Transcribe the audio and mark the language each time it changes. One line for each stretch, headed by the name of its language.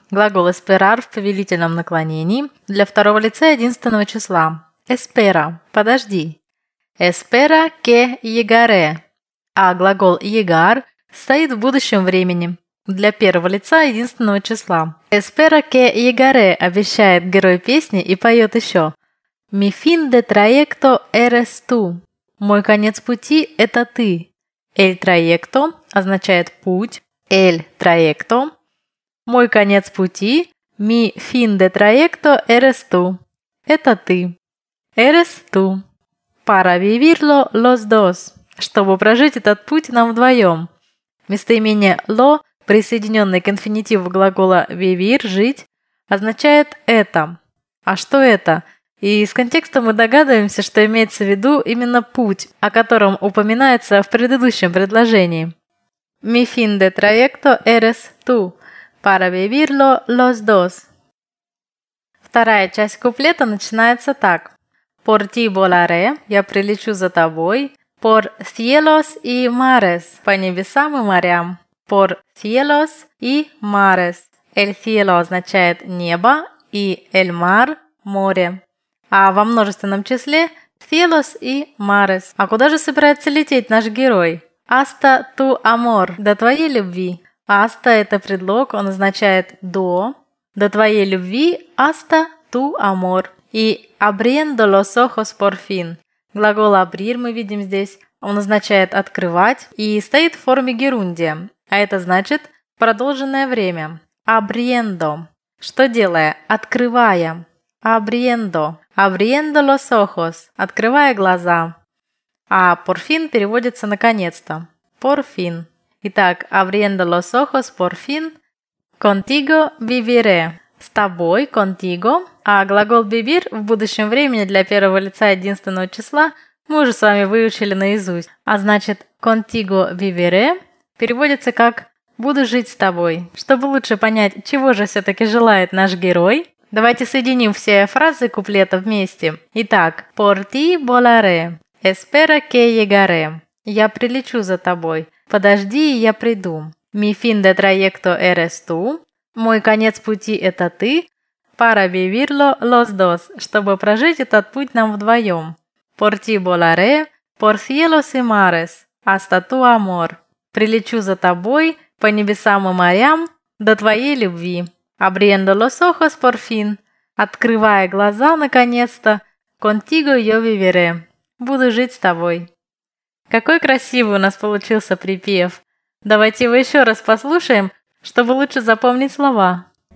Russian: Глагол «esperar» в повелительном наклонении для второго лица единственного числа. «Espera» – «Подожди».
Spanish: «Espera que llegaré» –
Russian: А глагол «llegar» стоит в будущем времени для первого лица единственного числа.
Spanish: «Espero que llegaré»
Russian: обещает герой песни и поет еще.
Spanish: «Mi fin de trayecto eres tú» –
Russian: «Мой конец пути – это ты».
Spanish: «El trayecto»
Russian: означает «путь».
Spanish: «El trayecto» –
Russian: «Мой конец пути»
Spanish: – «Mi fin de trayecto eres tú» –
Russian: «Это ты».
Spanish: «Eres tú» – «Para vivirlo los dos» –
Russian: «Чтобы прожить этот путь нам вдвоем». Местоимение «lo», присоединенное к инфинитиву глагола «vivir» – «жить», означает «это». А что это? И из контекста мы догадываемся, что имеется в виду именно путь, о котором упоминается в предыдущем предложении.
Spanish: «Mi fin de trayecto eres tú, para vivirlo los dos».
Russian: Вторая часть куплета начинается так.
Spanish: «Por ti volaré»
Russian: – «Я прилечу за тобой».
Spanish: «Por cielos y mares» –
Russian: «По небесам и морям».
Spanish: «Por cielos y mares» – «El cielo»
Russian: означает «небо» и
Spanish: «El mar» – «море».
Russian: А во множественном числе «cielos» и «mares». А куда же собирается лететь наш герой?
Spanish: «Hasta tu amor»
Russian: – «До твоей любви». «Hasta» – это предлог, он означает «до». «До твоей любви» –
Spanish: «hasta tu amor».
Russian: И
Spanish: «abriendo los ojos por fin»
Russian: – глагол «abrir» мы видим здесь. Он означает «открывать» и стоит в форме герундия. А это значит «продолженное время». «Abriendo». Что делая? «Открывая». «Abriendo».
Spanish: «Abriendo los ojos» –
Russian: «открывая глаза». А
Spanish: «por fin»
Russian: переводится «наконец-то».
Spanish: «Por fin». Итак, «abriendo los ojos por fin». «Contigo viviré» –
Russian: «с тобой»,
Spanish: «contigo».
Russian: А глагол «vivir» в будущем времени для первого лица единственного числа мы уже с вами выучили наизусть. А значит
Spanish: «contigo viviré»
Russian: переводится как «буду жить с тобой». Чтобы лучше понять, чего же все-таки желает наш герой, давайте соединим все фразы куплета вместе. Итак,
Spanish: «por ti volaré, espero que llegaré»
Russian: – «я прилечу за тобой, подожди, и я приду».
Spanish: «Mi fin de trayecto eres tú» –
Russian: «мой конец пути – это ты».
Spanish: «Para vivirlo los dos» –
Russian: «чтобы прожить этот путь нам вдвоем».
Spanish: «Por ti volaré, por cielos y mares, hasta tu amor» –
Russian: «прилечу за тобой, по небесам и морям, до твоей любви».
Spanish: «Abriendo los ojos por fin» –
Russian: «открывая глаза, наконец-то»,
Spanish: «contigo yo viviré» –
Russian: «буду жить с тобой». Какой красивый у нас получился припев. Давайте его еще раз послушаем, чтобы лучше запомнить слова.